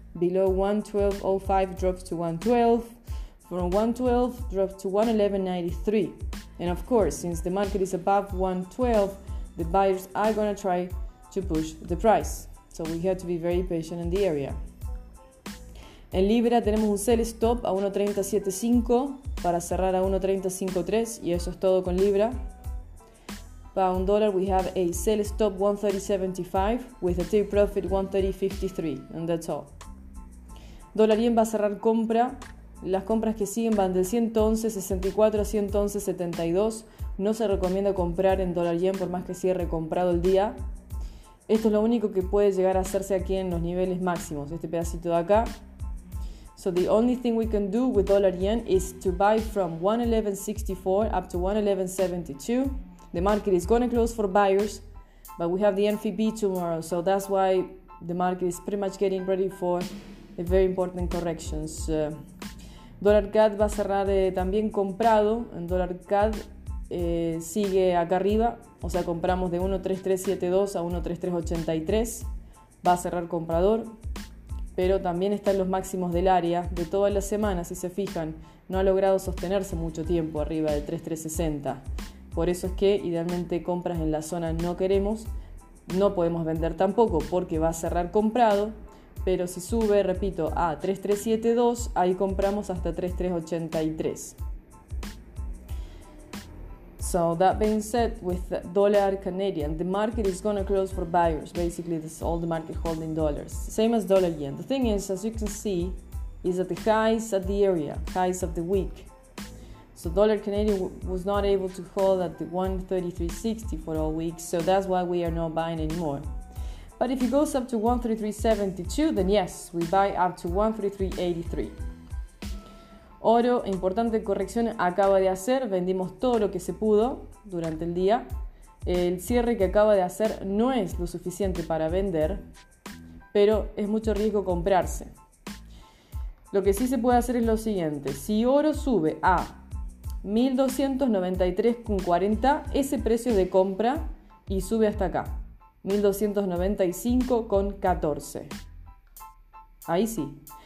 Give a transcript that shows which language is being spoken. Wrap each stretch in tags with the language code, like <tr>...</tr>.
<en>Below 1.1205 drops to 1.12. From 1.12 drops to 1.1193. And of course, since the market is above 1.12, the buyers are going to try to push the price. So we have to be very patient in the area.</en> <es>En Libra tenemos un sell stop a 1.375 para cerrar a 1.353 y eso es todo con Libra.</es> <en>Pound dollar we have a sell stop 1.3075 with a take profit 1.3053 and that's all.</en> <es>Dólar yen va a cerrar compra. Las compras que siguen van de 111.64 a 111.72. No se recomienda comprar en dólar yen por más que cierre comprado el día. Esto es lo único que puede llegar a hacerse aquí en los niveles máximos, este pedacito de acá.</es> <en>So the only thing we can do with dollar yen is to buy from 111.64 up to 111.72. The market is going to close for buyers, but we have the NFP tomorrow. So that's why the market is pretty much getting ready for a very important corrections.</en> <es>Dollar CAD va a cerrar también comprado. En dollar CAD sigue acá arriba. O sea, compramos de 1.3372 a 1.3383. Va a cerrar comprador. Pero también están los máximos del área de todas las semanas, si se fijan, no ha logrado sostenerse mucho tiempo arriba del 3.360. Por eso es que idealmente compras en la zona no queremos, no podemos vender tampoco porque va a cerrar comprado, pero si sube, repito, a 3.372, ahí compramos hasta 3.383.</es> <en>So that being said, with the dollar Canadian, the market is going to close for buyers. Basically, this is all the market holding dollars. Same as dollar yen. The thing is, as you can see, is that the highs at the area, highs of the week. So dollar Canadian was not able to hold at the 1.3360 for all week. So that's why we are not buying anymore. But if it goes up to 1.3372, then yes, we buy up to 1.3383.</en> <es>Oro, importante corrección, acaba de hacer, vendimos todo lo que se pudo durante el día. El cierre que acaba de hacer no es lo suficiente para vender, pero es mucho riesgo comprarse. Lo que sí se puede hacer es lo siguiente, si oro sube a 1.293.40, ese precio de compra y sube hasta acá, 1.295.14. Ahí sí.</es>